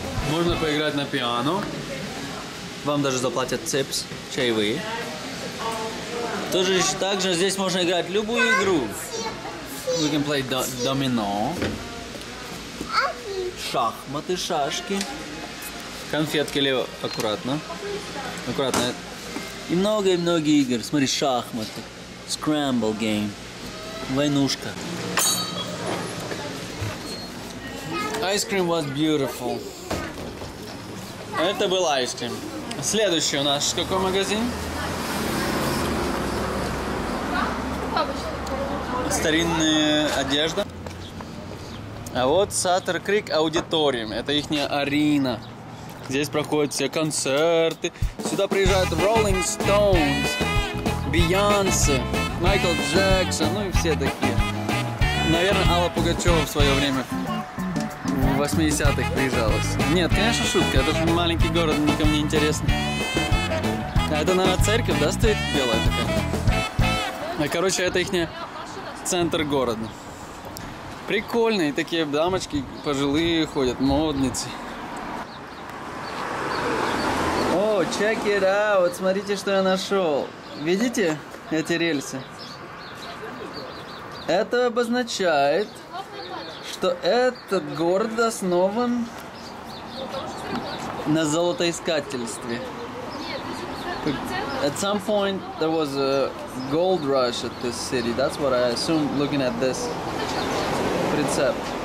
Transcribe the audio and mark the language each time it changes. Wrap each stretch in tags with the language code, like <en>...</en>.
<ru>Можно поиграть на пиано. Вам даже заплатят цепс, чаевые. Тоже так же здесь можно играть любую игру.</ru> <en>We can play домино.</en> <ru>Шахматы, шашки. Конфетки, Лео, аккуратно. Аккуратно. И много-много игр. Смотри, шахматы.</ru> <en>Scramble game.</en> <ru>Войнушка.</ru> <en>Ice cream was beautiful.</en> <ru>Это был айскрим. Следующий у нас какой магазин? Старинная одежда. А вот Sutter Creek Auditorium. Это ихняя арена. Здесь проходят все концерты. Сюда приезжают Rolling Stones, Beyonce, Michael Jackson, ну и все такие. Наверное, Алла Пугачева в свое время. В 80-х приезжалось. Нет, конечно, шутка. Это же маленький город, никому не интересно. А это, наверное, церковь, да, стоит белая такая? Короче, это их центр города. Прикольные такие дамочки пожилые ходят, модницы. О,</ru> <en>oh, check it out.</en> <ru>Смотрите, что я нашел. Видите эти рельсы? Это обозначает... что этот город основан на золотоискательстве.</ru> <en>At some point there was a gold rush at this city. That's what I assume looking at this precept.</en>